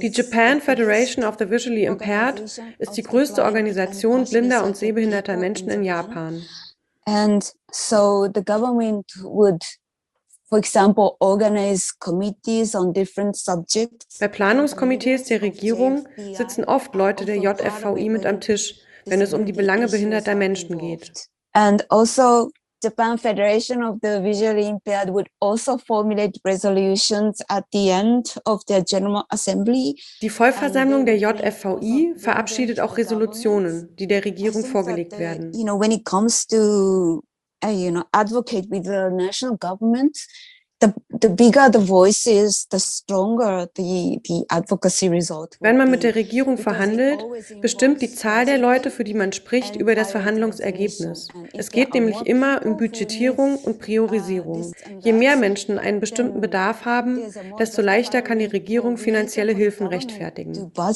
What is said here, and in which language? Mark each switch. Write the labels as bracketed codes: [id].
[de] die Japan Federation of the Visually Impaired ist die größte Organisation blinder und sehbehinderter Menschen in Japan. [en] And so the government would, for example, organize committees on different subjects. [de] Bei Planungskomitees der Regierung sitzen oft Leute der JFVI mit am Tisch, wenn es um die Belange behinderter Menschen geht. [en] And also Japan Federation of the Visually Impaired would also formulate resolutions at the end of their General Assembly. [de] Die Vollversammlung der JFVI verabschiedet auch Resolutionen, die der Regierung vorgelegt werden. [en] You know, when it comes to you know, advocate with the national government, the bigger the voice is, the stronger the advocacy result. [de] Wenn man mit der Regierung verhandelt, bestimmt die Zahl der Leute, für die man spricht, über das Verhandlungsergebnis. Es geht nämlich immer um Budgetierung und Priorisierung. Je mehr Menschen einen bestimmten Bedarf haben, desto leichter kann die Regierung finanzielle Hilfen rechtfertigen.